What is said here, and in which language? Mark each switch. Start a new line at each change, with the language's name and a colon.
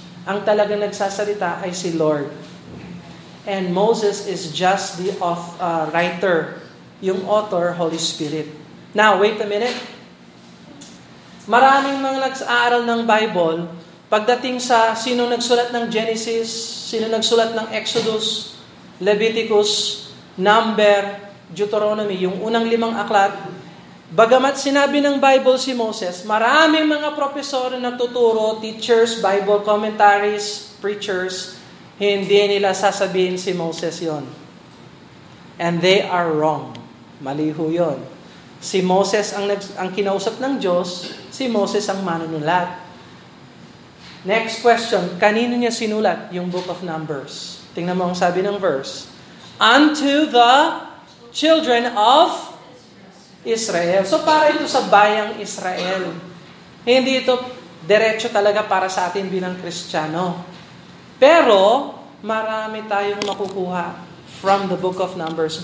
Filipino: Ang talagang nagsasalita ay si Lord.
English: And Moses is just the writer, yung author, Holy Spirit. Now, wait a minute.
Filipino: Maraming mga nag-aaral ng Bible, pagdating sa sino nagsulat ng Genesis, sino nagsulat ng Exodus, Leviticus, Number, Deuteronomy, yung unang limang aklat, bagamat sinabi ng Bible si Moses, maraming mga profesor na tuturo, teachers, Bible commentaries, preachers, hindi nila sasabihin si Moses yon.
English: And they are wrong.
Filipino: Mali ho yun. Si Moses ang kinausap ng Diyos, si Moses ang manunulat.
English: Next question,
Filipino: kanino niya sinulat yung Book of Numbers? Tingnan mo ang sabi ng verse.
English: Unto the children of Israel.
Filipino: So para ito sa bayang Israel. Hindi ito diretso talaga para sa atin bilang Kristiyano. Pero marami tayong makukuha
English: from the Book of Numbers.